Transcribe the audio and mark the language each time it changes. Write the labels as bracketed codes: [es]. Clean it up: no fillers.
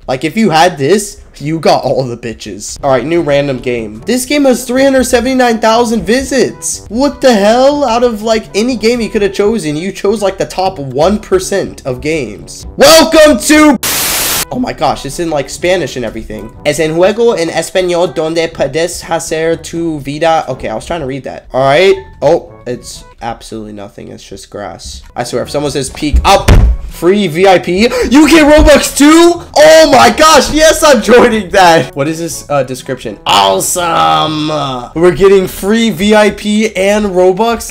[en] Like, if you had this, you got all the bitches. All right, new random game. This game has 379,000 visits. What the hell? Out of like any game you could have chosen, you chose like the top 1% of games. Welcome to... Oh my gosh, it's in like Spanish and everything. [es] Es en juego en español donde puedes hacer tu vida. [en] Okay, I was trying to read that. All right. Oh, it's absolutely nothing. It's just grass. I swear, if someone says peek up, free VIP. You get Robux too? Oh my gosh, yes, I'm joining that. What is this description? Awesome. We're getting free VIP and Robux.